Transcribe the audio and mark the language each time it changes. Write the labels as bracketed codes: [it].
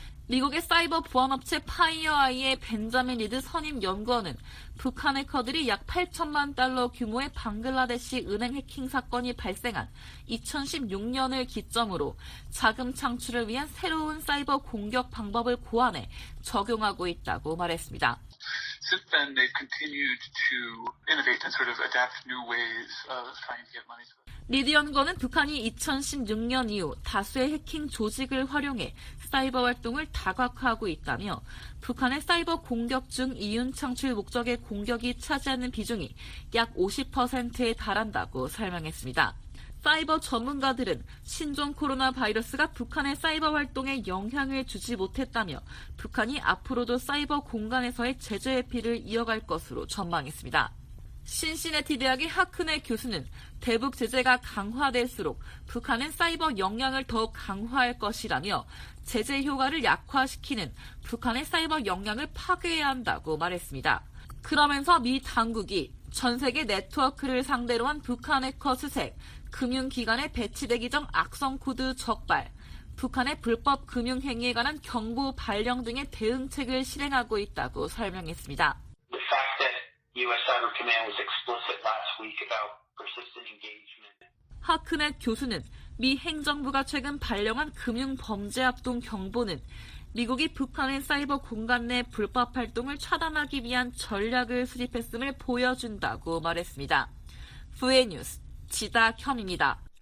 [ko] 미국의 사이버 보안업체 파이어아이의 벤자민 리드 선임 연구원은 북한 해커들이 약 8천만 달러 규모의 방글라데시 은행 해킹 사건이 발생한 2016년을 기점으로 자금 창출을 위한 새로운 사이버 공격 방법을 고안해 적용하고 있다고 말했습니다. [en] Since then, they've continued to innovate and sort of adapt new ways of trying to get money. [ko] 리드 연구원은 북한이 2016년 이후 다수의 해킹 조직을 활용해 사이버 활동을 다각화하고 있다며 북한의 사이버 공격 중 이윤 창출 목적의 공격이 차지하는 비중이 약 50%에 달한다고 설명했습니다. 사이버 전문가들은 신종 코로나 바이러스가 북한의 사이버 활동에 영향을 주지 못했다며 북한이 앞으로도 사이버 공간에서의 제재 회피를 이어갈 것으로 전망했습니다. 신시내티 대학의 하크네 교수는 대북 제재가 강화될수록 북한은 사이버 역량을 더욱 강화할 것이라며 제재 효과를 약화시키는 북한의 사이버 역량을 파괴해야 한다고 말했습니다. 그러면서 미 당국이 전 세계 네트워크를 상대로 한 북한 해커 수색, 금융기관에 배치되기 전 악성코드 적발, 북한의 불법 금융행위에 관한 경보 발령 등의 대응책을 실행하고 있다고 설명했습니다. [en] The fact that U.S. Cyber Command was explicit last week about persistent engagement. [ko] 하크넷 교수는 미 행정부가 최근 발령한 금융범죄합동 경보는 미국이 북한의 사이버 공간 내 불법 활동을 차단하기 위한 전략을 수립했음을 보여준다고 말했습니다. 후에 뉴스 지다현입니다.